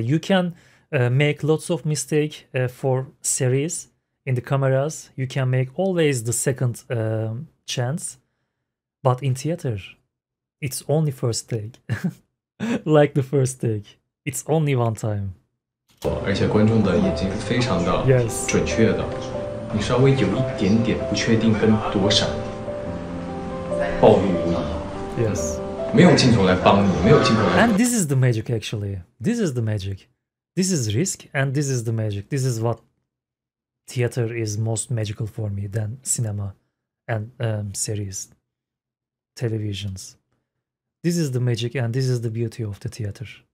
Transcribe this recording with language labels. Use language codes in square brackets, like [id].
[en] You can make lots of mistake for series in the cameras. You can make always the second chance, but in theater, it's only first take. Like the first take, it's only one time. [zh] 而且观众的眼睛是非常的准确的，你稍微有一点点不确定跟躲闪，暴露无遗。没有镜头来帮你，没有镜头来帮你。 [en] And this is the magic, actually. This is the magic. This is risk, and this is the magic. This is what theater is most magical for me than cinema and series, televisions. This is the magic, and this is the beauty of the theater.